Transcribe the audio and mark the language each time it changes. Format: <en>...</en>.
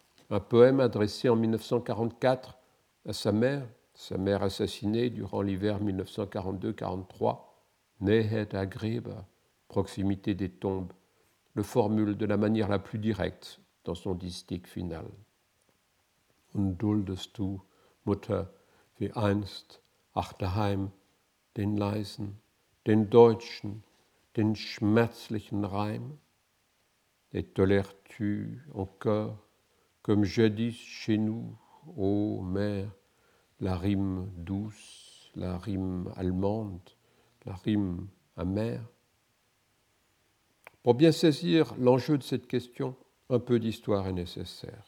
<fr>Un poème adressé en 1944 à sa mère assassinée durant l'hiver 1942-43, Nähet a Gräber, proximité des tombes, le formule de la manière la plus directe dans son distique final.</fr> <de>Unduldest du, Mutter, wie einst, ach daheim, den leisen, den deutschen, den schmerzlichen Reim?</de> <fr>Et tolères-tu encore, comme jadis chez nous, ô mère, la rime douce, la rime allemande, la rime amère? Pour bien saisir l'enjeu de cette question, un peu d'histoire est nécessaire.</fr>